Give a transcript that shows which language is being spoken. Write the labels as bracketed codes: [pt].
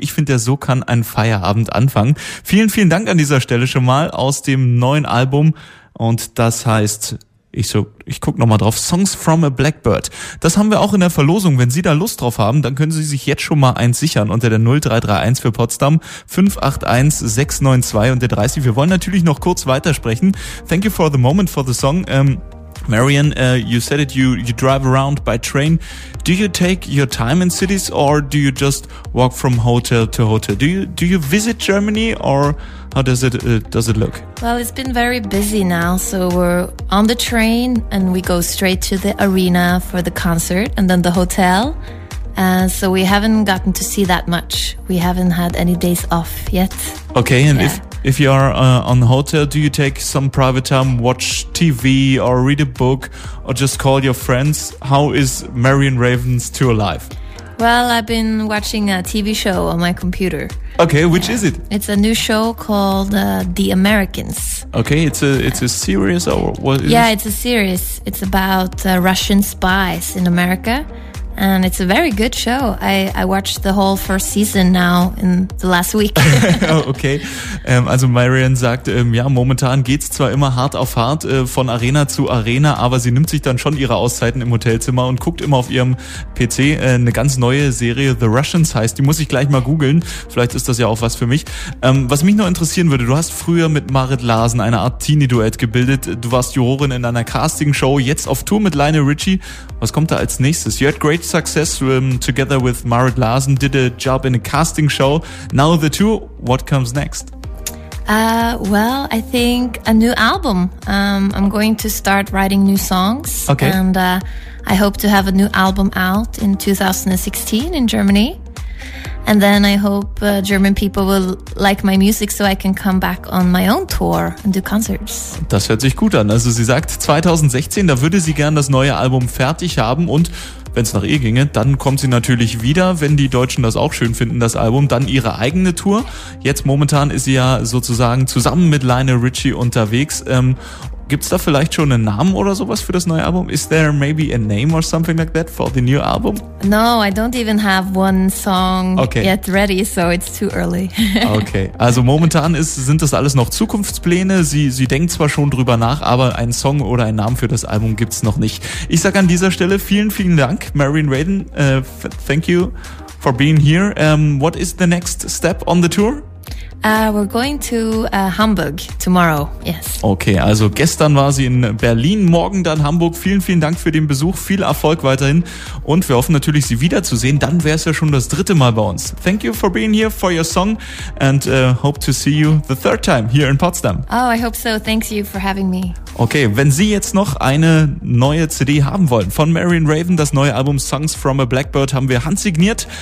[de] Ich finde, so kann ein Feierabend anfangen. Vielen, vielen Dank an dieser Stelle schon mal aus dem neuen Album. Und das heißt, ich guck nochmal drauf. Songs from a Blackbird. Das haben wir auch in der Verlosung. Wenn Sie da Lust drauf haben, dann können Sie sich jetzt schon mal eins sichern unter der 0331 für Potsdam 581-692 und der 30. Wir wollen natürlich noch kurz weitersprechen. [en] Thank you for the moment, for the song. Marion, you said it, you drive around by train. Do you take your time in cities or do you just walk from hotel to hotel? Do you visit Germany or how does it look? Well, it's been very busy now. So we're on the train and we go straight to the arena for the concert and then the hotel. So we haven't gotten to see that much. We haven't had any days off yet. Okay, and if you are on hotel, do you take some private time, watch TV or read a book or just call your friends? How is Marion Raven's tour life? Well, I've been watching a TV show on my computer. Okay, which is it? It's a new show called The Americans. Okay, it's a series or what is it? Yeah, it's a series. It's about Russian spies in America. And it's a very good show. I watched the whole first season now in the last week. [de] Okay, also Marion sagt, momentan geht's zwar immer hart auf hart von Arena zu Arena, aber sie nimmt sich dann schon ihre Auszeiten im Hotelzimmer und guckt immer auf ihrem PC eine ganz neue Serie, The Russians heißt. Die muss ich gleich mal googeln. Vielleicht ist das ja auch was für mich. Was mich noch interessieren würde, du hast früher mit Marit Larsen eine Art Teenie-Duett gebildet. Du warst Jurorin in einer Casting-Show, jetzt auf Tour mit Lionel Richie. Was kommt da als nächstes? [en] You had great success together with Marit Larsen, did a job in a casting show. Now the two, what comes next? Well, I think a new album. I'm going to start writing new songs. Okay. And I hope to have a new album out in 2016 in Germany. And then I hope German people will like my music so I can come back on my own tour and do concerts. [de] Das hört sich gut an. Also sie sagt 2016, da würde sie gern das neue Album fertig haben und wenn es nach ihr ginge, dann kommt sie natürlich wieder, wenn die Deutschen das auch schön finden, das Album, dann ihre eigene Tour. Jetzt momentan ist sie ja sozusagen zusammen mit Lionel Richie unterwegs. Gibt's da vielleicht schon einen Namen oder sowas für das neue Album? [en] Is there maybe a name or something like that for the new album? No, I don't even have one song yet ready, so it's too early. [de] Okay, also momentan sind das alles noch Zukunftspläne. Sie denkt zwar schon drüber nach, aber einen Song oder einen Namen für das Album gibt's noch nicht. Ich sage an dieser Stelle vielen, vielen Dank, Marion Raven. [en] Thank you for being here. What is the next step on the tour? We're going to Hamburg tomorrow, yes. [de] Okay, also gestern war sie in Berlin, morgen dann Hamburg. Vielen, vielen Dank für den Besuch, viel Erfolg weiterhin. Und wir hoffen natürlich, sie wiederzusehen. Dann wäre es ja schon das dritte Mal bei uns. [en] Thank you for being here, for your song. And hope to see you the third time here in Potsdam. Oh, I hope so. Thanks you for having me. [de] Okay, wenn Sie jetzt noch eine neue CD haben wollen von Marion Raven, das neue Album Songs from a Blackbird haben wir handsigniert.